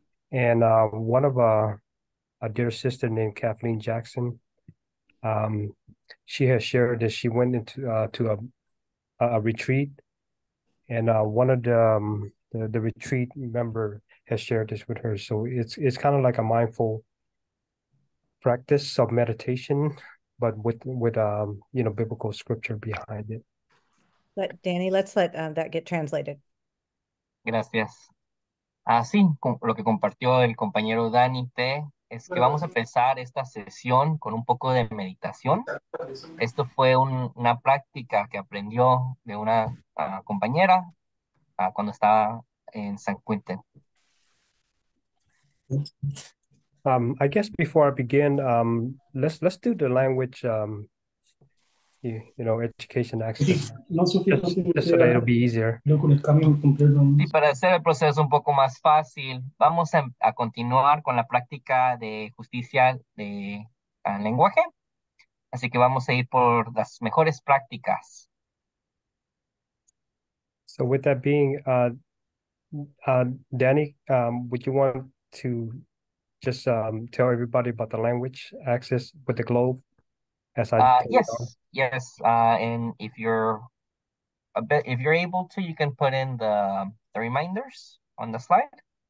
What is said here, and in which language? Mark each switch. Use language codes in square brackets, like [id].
[en] And one of a dear sister named Kathleen Jackson, she has shared that she went into to a retreat, and one of the retreat member has shared this with her. So it's kind of like a mindful practice of meditation, but with biblical scripture behind it. Let Danny, let's let that get translated. [es] Gracias. Así, lo que compartió el compañero Dani T es que vamos a empezar esta sesión con un poco de meditación. Esto fue una práctica que aprendió de una compañera cuando estaba en San Quentin. [en] I guess before I begin, let's do the language, education access, just so that it'll be easier. [es] Sí, para hacer el proceso un poco más fácil, vamos a continuar con la práctica de justicia de lenguaje. Así que vamos a ir por las mejores prácticas. [en] So with that being, Danny, would you want to just tell everybody about the language access with the globe as I take it on? Yes. And if you're a bit, if you're able to, you can put in the reminders on the slide.